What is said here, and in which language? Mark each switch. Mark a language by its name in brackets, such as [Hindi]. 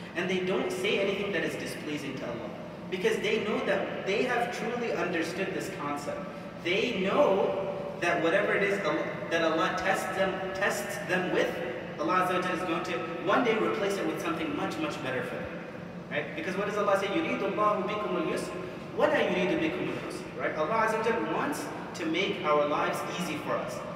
[English] And they don't say anything that is displeasing to Allah because they know that they have truly understood this concept. They know that whatever it is that Allah tests them with, Allah Azza wa Jalla is going to one day replace it with something much, much better for them, right? Because what does Allah say? [Arabic] يُرِيدُ اللَّهُ بِكُمُ الْيُسْرَ وَلَا يُرِيدُ بِكُمُ الْيُسْرَ, [English] right? Allah Azza wa Jalla wants to make our lives easy for us.